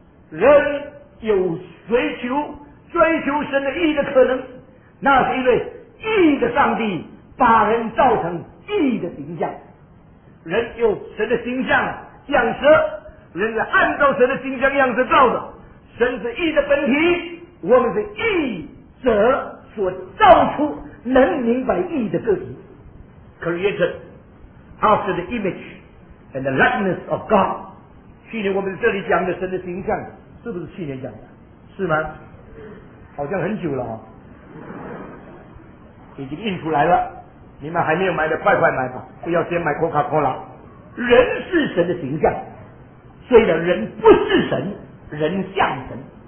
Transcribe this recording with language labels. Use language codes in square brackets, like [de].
[zh] 人有追求神的意义的可能，那是因为意义的上帝把人造成意义的形象。人有神的形象样式，人是按照神的形象样式造的，神是意义的本体，我们是意义者所造出能明白意义的个体。 [en] Created after the image and the likeness of God。 [zh] 去年我们这里讲的神的形象，是不是去年讲的？是吗？好像很久了、哦、已经印出来了，你们还没有买的快快买吧，不要先买 Coca-Cola。人是神的形象，虽然人不是神，人像神。